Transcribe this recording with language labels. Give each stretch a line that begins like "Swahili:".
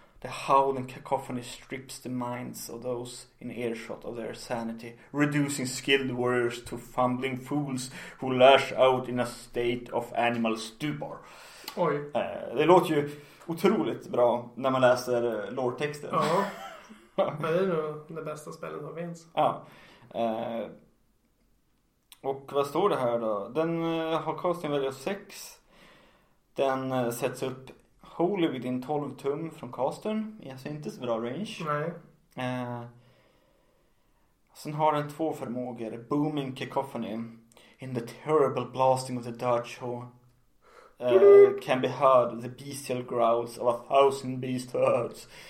English: The howling cacophony strips the minds of those in earshot of their sanity, reducing skilled warriors to fumbling fools who lash out in a state of animal stupor.
Swedish: Oj. Det låter ju otroligt bra när man läser lore-texten. Ja, det är nog det bästa spelen som finns. Ja. Och vad står det här då? Den har casting value 6. Den sätts upp holy within 12 tum från castern. Alltså inte så bra range. Nej. Sen har den två förmågor.
English: Booming cacophony in the terrible blasting of the Dirgehorn can be heard the bestial growls of a thousand beast herds.